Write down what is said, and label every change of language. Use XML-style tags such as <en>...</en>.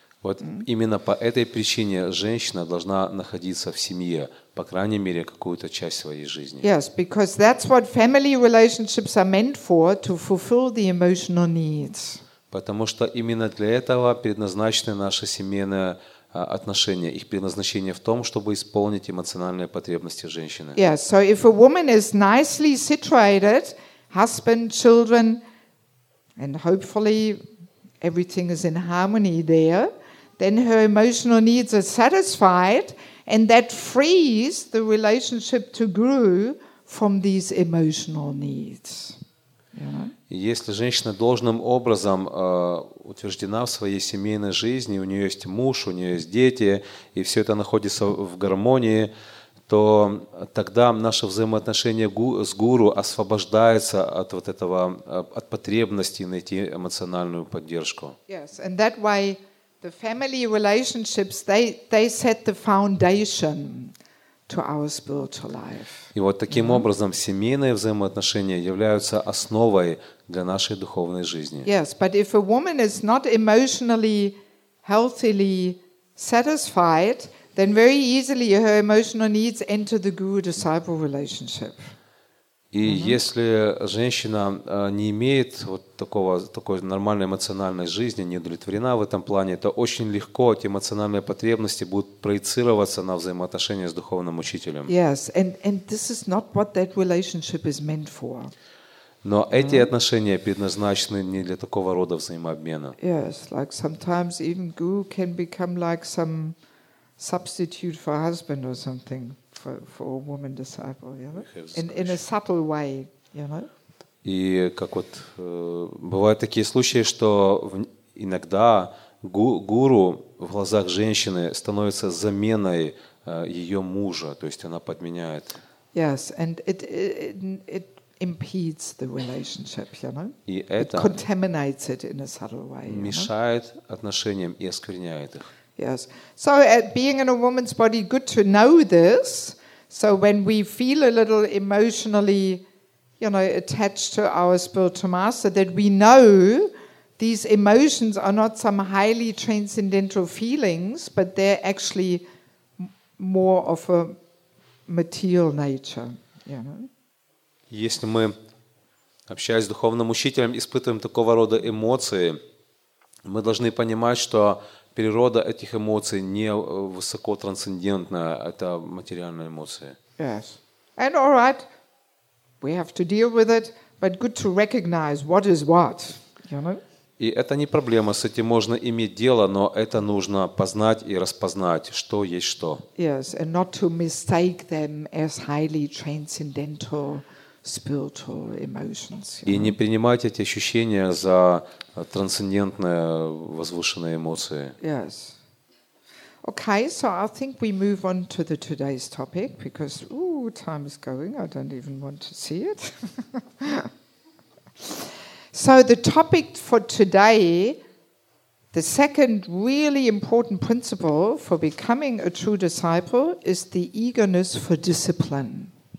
<ru>Вот именно по этой причине женщина должна находиться в семье, по крайней мере, какую-то часть своей жизни.</ru> <en>Yes, because that's what family relationships are meant for, to fulfill the emotional needs.</en> <ru>Потому что именно для этого предназначены наши семейные отношения. Их предназначение в том, чтобы исполнить эмоциональные потребности женщины.</ru> <en>Yes, so if a woman is nicely situated, husband, children, and hopefully everything is in harmony there, then her emotional needs are satisfied, and that frees the relationship to grow from these emotional needs. Yeah.</en> <ru>Если женщина должным образом утверждена в своей семейной жизни, у нее есть муж, у нее есть дети, и все это находится в гармонии, то тогда наше взаимоотношение с гуру освобождается от вот этого, от потребности найти эмоциональную поддержку.</ru> <en>Yes, and that way the family relationships, they set the foundation to our spiritual life.</en> <ru>И вот таким образом семейные взаимоотношения являются основой для нашей духовной жизни.</ru> <en>Yes, but if a woman is not emotionally healthily satisfied, then very easily her emotional needs enter the guru-disciple relationship.</en> <ru>И если женщина не имеет вот такой нормальной эмоциональной жизни, не удовлетворена в этом плане, то очень легко эти эмоциональные потребности будут проецироваться на взаимоотношения с духовным учителем.</ru> <en>Yes, and this is not what that relationship is meant for.</en> <ru>Но эти отношения предназначены не для такого рода взаимообмена.</ru> <en>Yes, like sometimes even guru can become like some substitute for husband or something. For a woman disciple, you know, in a subtle way, you know.</en> <ru>И как вот бывают такие случаи, что иногда гуру в глазах женщины становится заменой ее мужа, то есть она подменяет.</ru> <en>Yes, and it impedes the relationship, you know.</en> <ru>И это</ru> <en>contaminates it in a subtle way.</en> <ru>Мешает отношениям и оскверняет их.</ru> <en>Yes. So being in a woman's body, good to know this. So when we feel a little emotionally, you know, attached to our spiritual master, that we know these emotions are not some highly transcendental feelings, but they're actually more of a material nature. You know?</en> <ru>Если мы, общаясь с духовным учителем, испытываем такого рода эмоции, мы должны понимать, что природа этих эмоций не высоко трансцендентная, это материальные эмоции.</ru> <en>Yes. And all right, we have to deal with it, but good to recognize what is what. You know?</en> <ru>И это не проблема, с этим можно иметь дело, но это нужно познать и распознать, что есть что.</ru> <en>Yes, and not to mistake them as highly transcendental spiritual emotions.</en> <ru>И не принимать эти ощущения за трансцендентные возвышенные эмоции.</ru> <en>Yes. Okay, so I think we move on to the today's topic because time is going. I don't even want to see it. So the topic for today, the second really important principle for becoming a true disciple is the eagerness for discipline.</en>